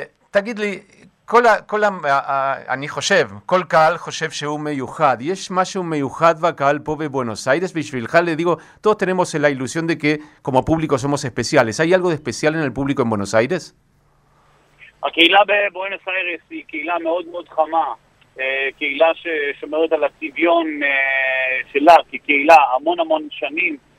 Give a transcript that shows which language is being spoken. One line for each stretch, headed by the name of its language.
Hebrew: תגיד לי, כל אני חושב, כל קהל חושב שהוא מיוחד. יש משהו מיוחד בקהל פה בבואנוס איירס בשבילך?
Spanish: Le digo, todos tenemos la ilusión de que como público somos especiales. ¿Hay algo de especial en el público en Buenos Aires?
Hebrew: הקהילה בבואנוס איירס היא קהילה מאוד מאוד חמה. קהילה ששומרת על הצביון שלה, כי קהילה המון המון שנים.